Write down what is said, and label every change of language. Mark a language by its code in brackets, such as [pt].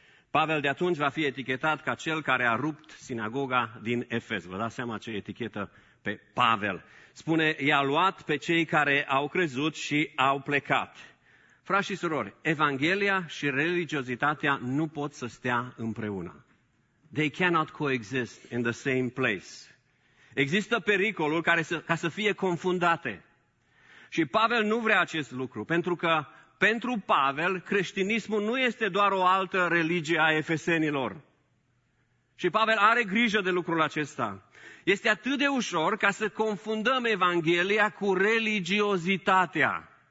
[ro] Pavel de atunci va fi etichetat ca cel care a rupt sinagoga din Efes. Vă dați seama ce etichetă pe Pavel. Spune, i-a luat pe cei care au crezut și au plecat. Frați și surori, Evanghelia și religiozitatea nu pot să stea împreună. [en] They cannot coexist in the same place. [ro] Există pericolul ca să fie confundate. Și Pavel nu vrea acest lucru, pentru că pentru Pavel creștinismul nu este doar o altă religie a efesenilor. Și Pavel are grijă de lucrul acesta. Este atât de ușor ca să confundăm Evanghelia cu religiozitatea.